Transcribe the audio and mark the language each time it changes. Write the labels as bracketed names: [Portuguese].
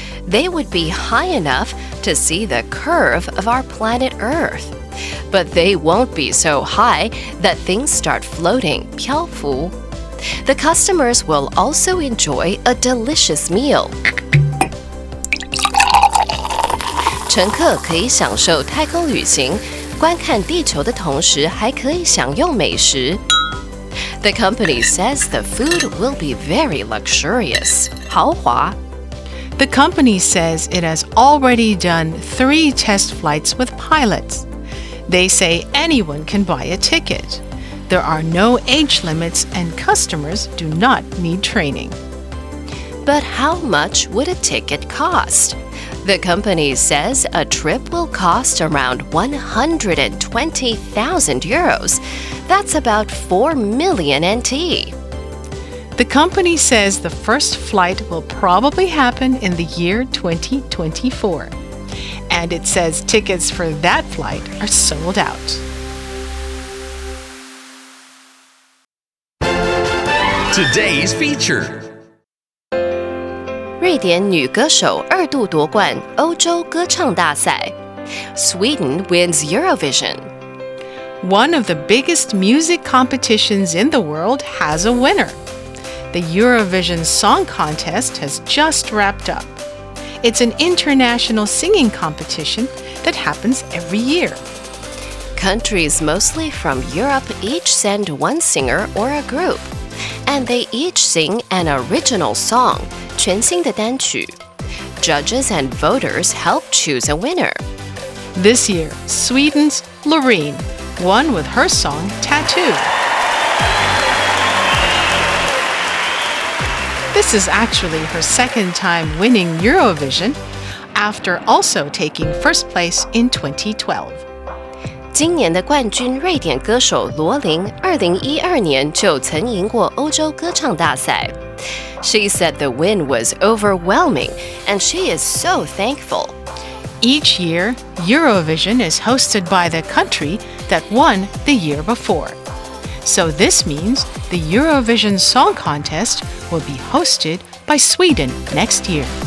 [English] They would be high enough to see the curve of our planet Earth. But they won't be so high that things start floating, 漂浮. The customers will also enjoy a delicious meal. [Chinese] 乘客可以享受太空旅行,观看地球的同时还可以享用美食。 [English] The company says the food will be very luxurious. [Chinese] 豪华。 [English] The company says it has already done 3 test flights with pilots. They say anyone can buy a ticket. There are no age limits and customers do not need training. But how much would a ticket cost? The company says a trip will cost around 120,000 euros. That's about 4 million NT. The company says the first flight will probably happen in the year 2024. And it says tickets for that flight are sold out. Today's feature. [Chinese] 瑞典女歌手二度夺冠欧洲歌唱大赛。 [English] Sweden wins Eurovision. One of the biggest music competitions in the world has a winner. The Eurovision Song Contest has just wrapped up. It's an international singing competition that happens every year. Countries mostly from Europe each send one singer or a group, and they each sing an original song, [Chinese] 全新的单曲. [English] Judges and voters help choose a winner. This year, Sweden's Loreen won with her song Tattoo. This is actually her second time winning Eurovision, after also taking first place in 2012. [Chinese] 今年的冠军瑞典歌手罗琳 2012年就曾赢过欧洲歌唱大赛。 [English] She said the win was overwhelming, and she is so thankful. Each year, Eurovision is hosted by the country that won the year before. So this means the Eurovision Song Contest will be hosted by Sweden next year.